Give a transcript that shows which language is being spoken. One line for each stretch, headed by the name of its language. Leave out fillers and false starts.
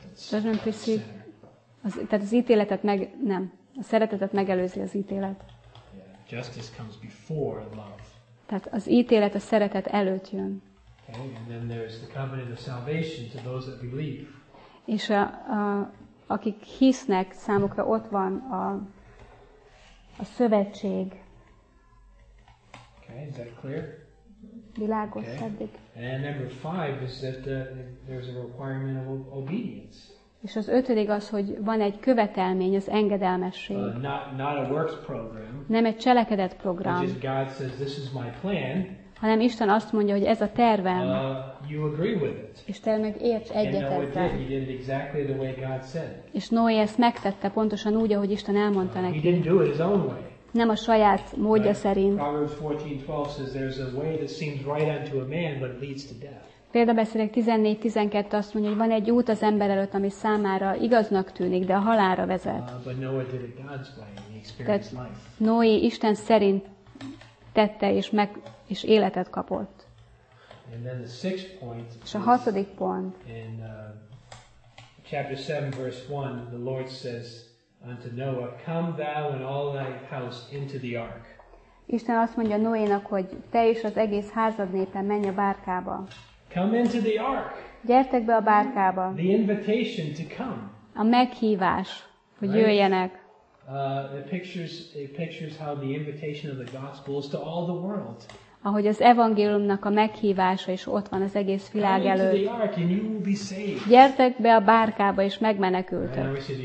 Hungarian: Tehát az ítéletet meg... Nem. A szeretetet megelőzi az ítélet.
English: Yeah. Justice comes before love.
Hungarian: Tehát az ítélet a szeretet előtt jön.
English: Okay. And then there's the covenant of salvation to those that believe.
Hungarian: És akik hisznek, számukra ott van a szövetség.
English: Okay, is that clear?
Hungarian: Világos, okay. Eddig.
English: And number five is that there's a requirement of obedience.
Hungarian: És az ötödik az, hogy van egy követelmény, az engedelmesség.
English: Not a works program.
Hungarian: Nem egy cselekedet program.
English: Just God says this is my plan.
Hungarian: Hanem Isten azt mondja, hogy ez a tervem.
English: You agree with it.
Hungarian: És te meg érts egyet ezzel.
English: And Noé did exactly the way God said.
Hungarian: És Noé ezt megtette pontosan úgy, ahogy Isten elmondta neki.
English: He didn't do it his own way.
Hungarian: Nem a saját módja szerint.
English: Proverbs 14:12 says there's a way that seems right unto a man, but leads to death.
Hungarian: Példabeszélek 14:12 azt mondja, hogy van egy út az ember előtt, ami számára igaznak tűnik, de a halálra vezet.
English: But Noah did it God's way, and he experienced life.
Hungarian: Noé Isten szerint tette és életet kapott.
English: And then the sixth point.
Hungarian: És a hatodik pont.
English: In chapter 7:1, the Lord says unto Noah, come thou and all thy house into the ark.
Hungarian: Isten azt mondja Noénak, hogy te és az egész házad népe menj a bárkába.
English: Come into the ark.
Hungarian: Gyertek be a bárkába.
English: The invitation to come.
Hungarian: A meghívás, hogy right? Jöjjenek.
English: It pictures how the invitation of the gospel is to all the world.
Hungarian: Ahogy az evangéliumnak a meghívása is ott van az egész világ előtt. Gyertek be a bárkába, és megmenekültök.